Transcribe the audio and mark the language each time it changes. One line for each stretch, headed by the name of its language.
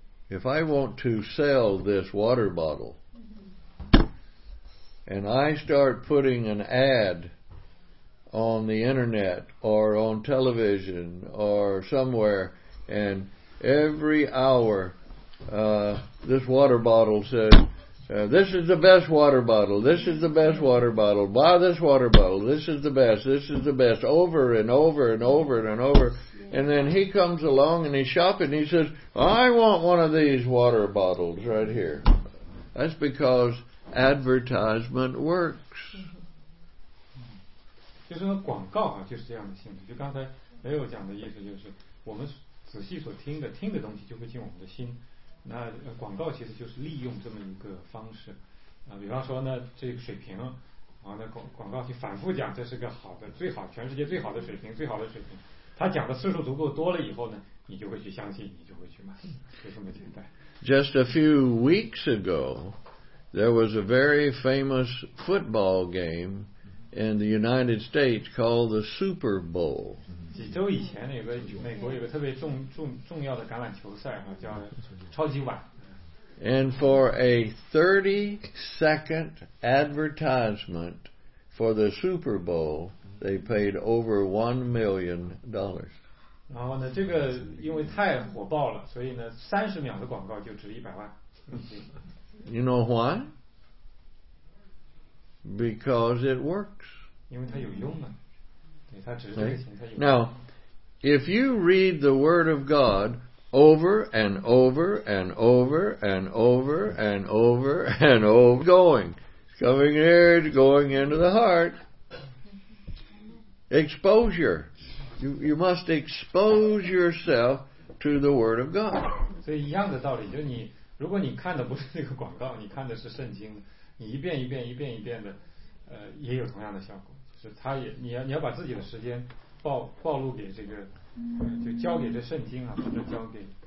English: If I want to sell this water bottle, and I start putting an ad on the internet or on television or somewhere, and every hour this water bottle says, this is the best water bottle, this is the best water bottle, buy this water bottle, this is the best, over and over and over and over. And then he comes along and he's shopping and he says, I want one of these water bottles right here. That's because advertisement works.
Chinese: 就是那广告啊，就是这样的性质。就刚才雷欧讲的意思，就是我们仔细所听的，听的东西就会进我们的心。那广告其实就是利用这么一个方式啊，比方说呢，这个水瓶，啊，那广告就反复讲这是个好的，最好，全世界最好的水瓶，最好的水瓶。他讲的次数足够多了以后呢，你就会去相信，你就会去买，就这么简单。
English: Just a few weeks ago, there was a very famous football game. In the United States, called the Super Bowl.
Chinese: 几周以前，有个美国有个特别重要的橄榄球赛哈，叫超级碗。
English: And for a 30-second advertisement for the Super Bowl, they paid over $1 million.
Chinese: 然后呢，这个因为太火爆了，所以呢，三十秒的广告就值100万。
English: You know why? Because it works.
Chinese: 因为它有用嘛，对，它只是这个形态有用。
English: Now, if you read the Word of God over and over and over and over and over and over, going, coming here, going into the heart, exposure. You must expose yourself to the Word of God.
Chinese: 所以一样的道理，就是你如果你看的不是这个广告，你看的是圣经。你一遍一遍一遍一遍的，也有同样的效果，就是他也你要把自己的时间暴露给这个，就交给这圣经啊，或者交给。